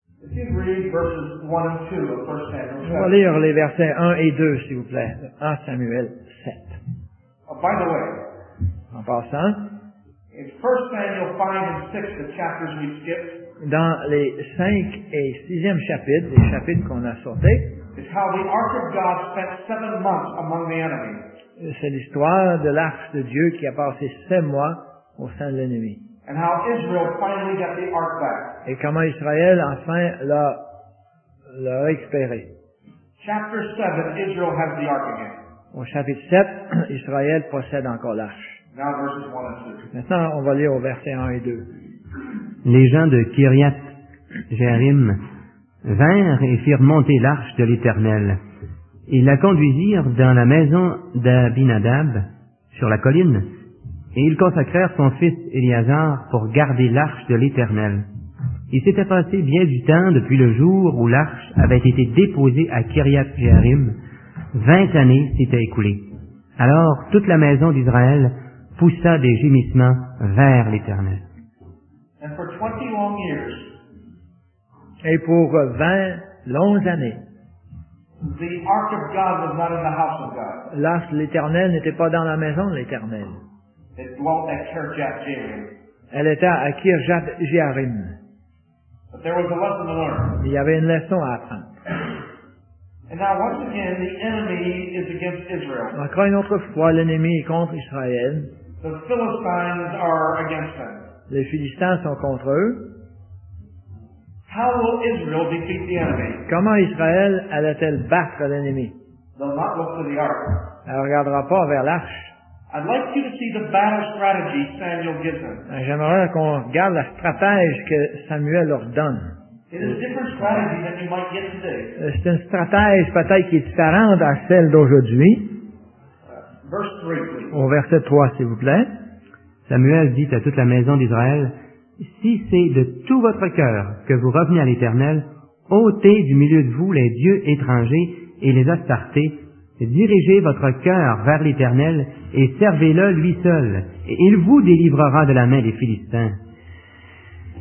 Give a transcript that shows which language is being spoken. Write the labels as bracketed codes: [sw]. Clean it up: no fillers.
[fr] On va lire les versets 1 et 2, s'il vous plaît, de 1 Samuel 7. [en] By the way, [fr] en passant, [en] in 1 Samuel 5 and 6, the chapters we skipped, [fr] dans les 5 et 6e chapitres, les chapitres qu'on a sautés, [en] is how the ark of God spent 7 months among the enemy. [fr] C'est l'histoire de l'arche de Dieu qui a passé 7 mois au sein de l'ennemi. [en] And how Israel finally got the ark back. [fr] Et comment Israël enfin l'a récupéré. [en] Chapter 7, Israel has the ark again. [fr] Au chapitre 7, Israël possède encore l'arche. [en] Now verses 1 and 2. [fr] Maintenant, on va lire au verset 1 et 2. Les gens de Kiriath Jearim vinrent et firent monter l'arche de l'Éternel. Ils la conduisirent dans la maison d'Abinadab, sur la colline, et ils consacrèrent son fils Éléazar pour garder l'arche de l'Éternel. Il s'était passé bien du temps depuis le jour où l'arche avait été déposée à Kiriath Jearim. 20 années s'étaient écoulées. Alors toute la maison d'Israël poussa des gémissements vers l'Éternel. [en] And for 20 long years, [fr] et pour 20 longues années, [en] the ark of God was not in the house of God. [fr] L'arche de l'Éternel n'était pas dans la maison de l'Éternel. [en] It dwelt at Kiriath Jearim. [fr] Elle était à Kiriath Jearim. [en] But there was a lesson to learn. [fr] Il y avait une leçon à apprendre. [en] And now, once again, the enemy is against Israel. [fr] Encore une autre fois, l'ennemi est contre Israël. [en] The Philistines are against them. [fr] Les Philistins sont contre eux. [en] How will Israel defeat the enemy? [fr] Comment Israël allait-elle battre l'ennemi? [en] They'll not look to the ark. [fr] Elle ne regardera pas vers l'arche. [en] I'd like you to see the battle strategy Samuel gives them. [fr] J'aimerais qu'on regarde la stratège que Samuel leur donne. [en] It is a different strategy than you might get today. [fr] C'est une stratège peut-être qui est différente à celle d'aujourd'hui. [en] Verse 3, please. [fr] Au verset 3, s'il vous plaît. Samuel dit à toute la maison d'Israël, « Si c'est de tout votre cœur que vous revenez à l'Éternel, ôtez du milieu de vous les dieux étrangers et les Astartés, dirigez votre cœur vers l'Éternel et servez-le lui seul, et il vous délivrera de la main des Philistins. »